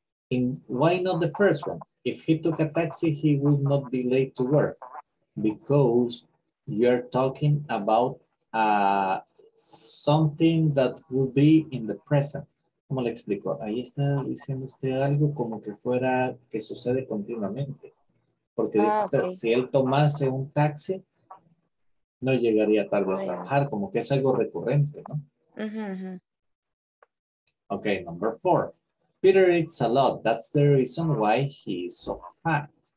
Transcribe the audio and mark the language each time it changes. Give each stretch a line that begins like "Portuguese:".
English: In, why not the first one? If he took a taxi, he would not be late to work. Because you're talking about something that would be in the present.
Spanish: ¿Cómo le explico? Ahí está diciendo usted algo como que fuera que sucede continuamente. Porque dice usted, okay, si él tomase un taxi, no llegaría tal vez a trabajar, como que es algo recurrente, ¿no? Uh-huh.
English: Okay, number four. Peter eats a lot. That's the reason why he is so fat.